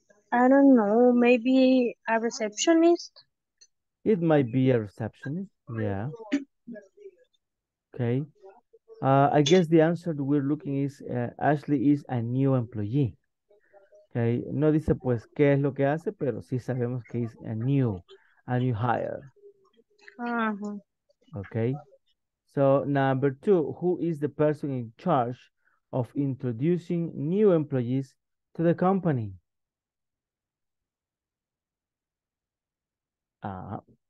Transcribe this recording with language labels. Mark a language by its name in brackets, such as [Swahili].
[English] I don't know, maybe a receptionist? It might be a receptionist, yeah. Okay. I guess the answer that we're looking is Ashley is a new employee. Okay. [Spanish] No dice pues qué es lo que hace, pero sí sabemos que es [English] a new hire. Uh-huh. Okay. So number two, who is the person in charge of introducing new employees to the company? Uh-huh.